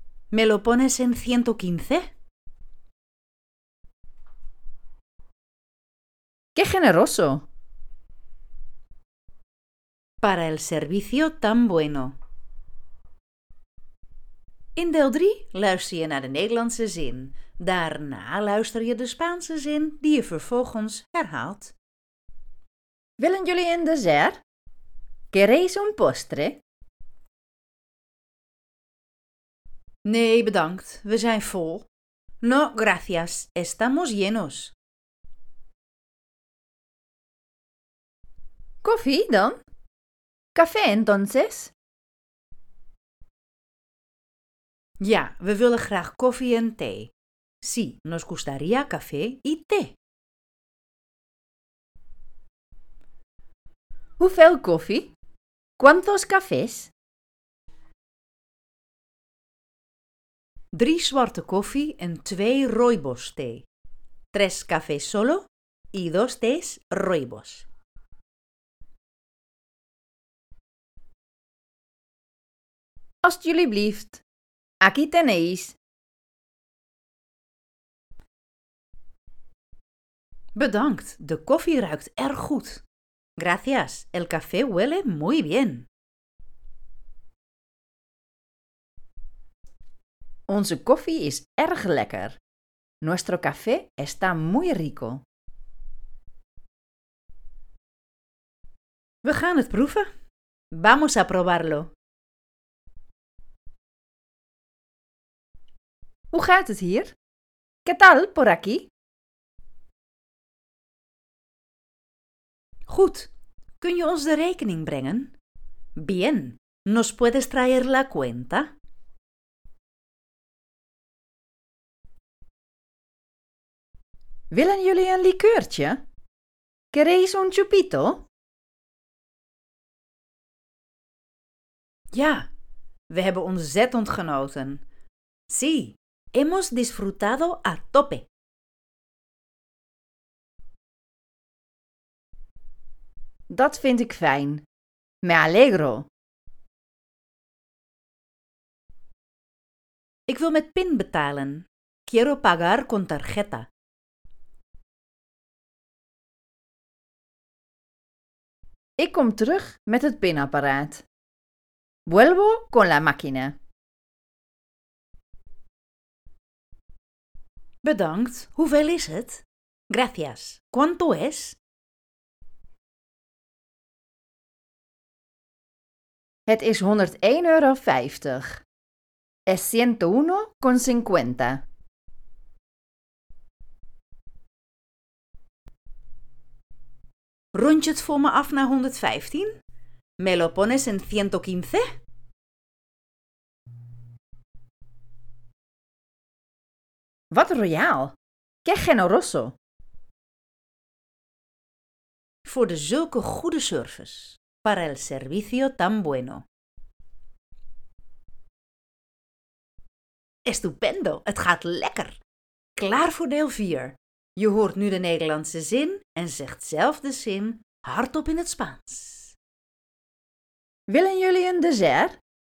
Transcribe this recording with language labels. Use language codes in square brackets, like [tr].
[es] ¿Me lo pones en 115? ¡Qué generoso! Para el servicio tan bueno. [nl] In deel 3 luister je naar de Nederlandse zin. Daarna luister je de Spaanse zin die je vervolgens herhaalt. ¿Willen jullie een dessert? [es] ¿Queréis un postre? [nl] Nee, bedankt. We zijn vol. [es] No, gracias. Estamos llenos. [nl] ¿Coffee, dan? [es] ¿Café, entonces? [nl] Ja, we willen graag koffie en thee. [es] Sí, nos gustaría café y té. [nl] ¿Hoeveel koffie? [es] ¿Cuántos cafés? [nl] 3 zwarte koffie en 2 rooibos thee. [es] 3 cafés solo y 2 tés rooibos. [nl] Alsjeblieft. [es] Aquí tenéis. [nl] Bedankt. De koffie ruikt erg goed. [es] Gracias. El café huele muy bien. [nl] Onze koffie is erg lekker. [es] Nuestro café está muy rico. [nl] We gaan het proeven. [es] Vamos a probarlo. [nl] Hoe gaat het hier? [es] ¿Qué tal por aquí? [nl] Goed. Kun je ons de rekening brengen? [es] Bien. ¿Nos puedes traer la cuenta? [nl] Willen jullie een likeurtje? [es] ¿Queréis un chupito? [nl] Ja, we hebben ontzettend genoten. [es] Sí, hemos disfrutado a tope. [nl] Dat vind ik fijn. [es] Me alegro. [nl] Ik wil met PIN betalen. [es] Quiero pagar con tarjeta. [nl] Ik kom terug met het pinapparaat. [es] Vuelvo con la máquina. [nl] Bedankt. Hoeveel is het? [es] Gracias. ¿Cuánto es? [nl] Het is €101,50. [es] Es 101,50. [nl] Rond je het voor me af naar 115? [es] Me lo pones en 115? [nl] Wat royaal. [es] Qué generoso. [nl] Voor de zulke goede service. [es] Para el servicio tan bueno. [nl] Estupendo, het gaat lekker. Klaar voor deel 4. Je hoort nu de Nederlandse zin en zegt zelf de zin hardop in het Spaans. Willen jullie een dessert?